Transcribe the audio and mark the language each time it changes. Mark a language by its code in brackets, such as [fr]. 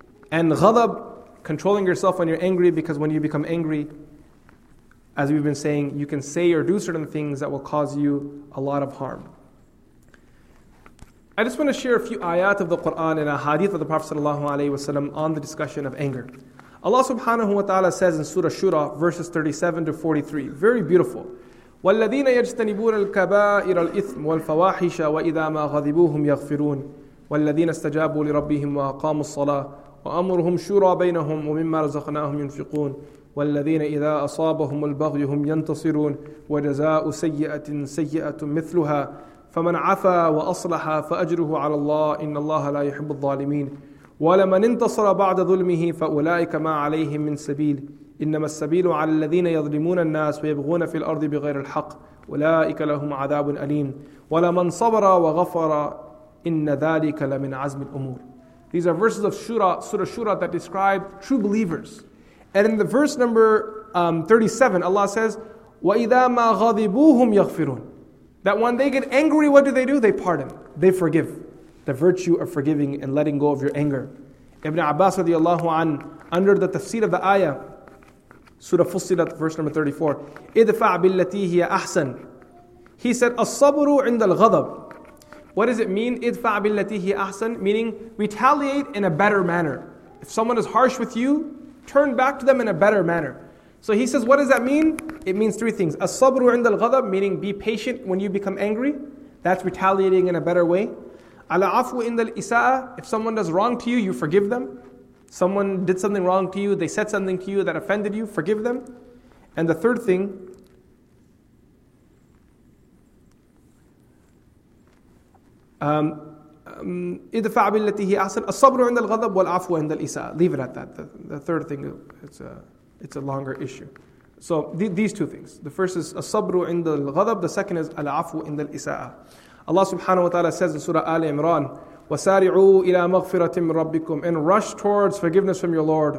[en] And ghadab, controlling yourself when you're angry, because when you become angry, as we've been saying, you can say or do certain things that will cause you a lot of harm. I just want to share a few ayat of the Qur'an and a hadith of the Prophet ﷺ on the discussion of anger. Allah subhanahu wa ta'ala says in Surah Shura, verses 37 to 43, very beautiful. [ar] وَالَّذِينَ يَجْتَنِبُونَ الْكَبَائِرَ الْإِثْمُ وَالْفَوَاحِشَ وَإِذَا مَا غَذِبُوهُمْ يَغْفِرُونَ وَالَّذِينَ اسْتَجَابُوا لِرَبِّهِمْ وَأَقَامُوا الصَّلَاةِ وَأَمُرُهُمْ شُورَى بَيْنَهُمْ وَمِمَّا رَزَقْنَاهُمْ يُنْفِقُونَ والذين إذا أصابهم البغي هم ينتصرون وجزاء سيئة سيئة مثلها فمن عفا وأصلح فأجره على الله إن الله لا يحب الظالمين ولمن انتصر بعد ظلمه فأولئك ما عليهم من سبيل إنما السبيل على الذين يظلمون الناس ويبغون في الأرض بغير الحق أولئك لهم عذاب أليم ولمن صبر وغفر إن ذلك لمن عزم الأمور. [en] These are verses of Shura, Surah Shura, that describe true believers. And in the verse number 37, Allah says, [ar] وَإِذَا مَا غَضِبُوهُمْ يَغْفِرُونَ. [en] That when they get angry, what do? They pardon. They forgive. The virtue of forgiving and letting go of your anger. Ibn Abbas radiallahu an, under the tafsir of the ayah, Surah Fussilat, verse number 34, [ar] اِدْفَعْ بِالَّتِي هِيَ أَحْسَنَ. [en] He said, [ar] الصَّبْرُ عِنْدَ الْغَضَبِ. [en] What does it mean? [ar] اِدْفَعْ بِالَّتِي هِيَ أَحْسَنَ. [en] Meaning, retaliate in a better manner. If someone is harsh with you, turn back to them in a better manner. So he says, what does that mean? It means three things. [ar] As-sabru inda al-ghadab, [en] meaning be patient when you become angry. That's retaliating in a better way. [ar] Al-afwu inda al-isa'a, [en] if someone does wrong to you, you forgive them. Someone did something wrong to you, they said something to you that offended you, forgive them. And the third thing, [ar] ادفع بالتي هي أحسن الصبر عند الغضب والعفو عند الإساءة. [en] Leave it at that. The third thing, it's a longer issue. So these two things. The first is [ar] الصبر عند الغضب. [en] The second is [ar] العفو عند الإساءة. [en] Allah subhanahu wa ta'ala says in Surah Ali Imran, [ar] وَسَارِعُوا إِلَىٰ مَغْفِرَةٍ مِّن رَبِّكُمْ [en] and rush towards forgiveness from your Lord.